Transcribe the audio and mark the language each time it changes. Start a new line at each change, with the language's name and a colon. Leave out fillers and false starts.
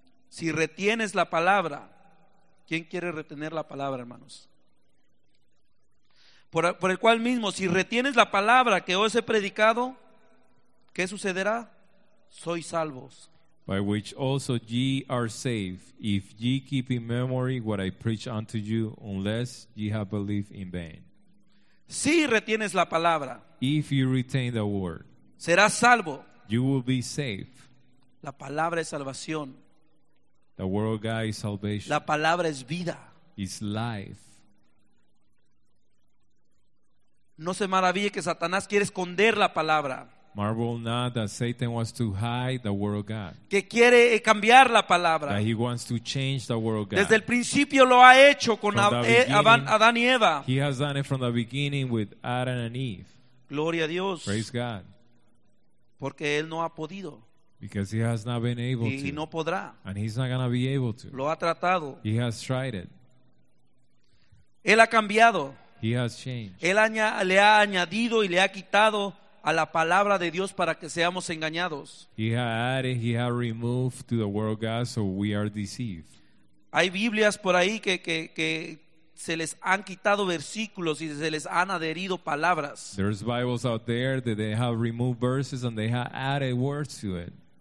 Spanish: Si retienes la palabra, ¿quién quiere retener la palabra, hermanos? Por el cual mismo, si retienes la palabra que os he predicado, ¿qué sucederá? Sois salvos.
English: By which also ye are saved, if ye keep in memory what I preach unto you, unless ye have believed in vain.
Spanish: Si retienes la palabra,
English: if you retain the word,
Spanish: serás salvo.
English: You will be saved.
Spanish: La palabra es salvación.
English: The word of God is salvation.
Spanish: La palabra es vida.
English: It's life.
Spanish: No se maraville que Satanás quiere esconder la palabra.
English: Marvel not that Satan wants to hide the word of God.
Spanish: Que quiere cambiar la palabra.
English: That he wants to change the word of God.
Spanish: Desde el principio lo ha hecho con Adán y Eva.
English: He has done it from the beginning with Adam and Eve.
Spanish: Gloria a Dios.
English: Praise God.
Spanish: Porque él no ha podido.
English: Because he has not been able
Spanish: y no podrá.
English: To. And he's not going to be able to.
Spanish: Lo ha tratado.
English: He has tried it.
Spanish: Él ha cambiado.
English: He has changed.
Spanish: Él le ha añadido y le ha quitado a la palabra de Dios para que seamos engañados.
English: He has added, he has removed to the word of God so we are deceived.
Spanish: Hay Biblias por ahí que se les han quitado versículos y se les han adherido palabras.
English: There's Bibles out there that they have removed verses and they have added words to it.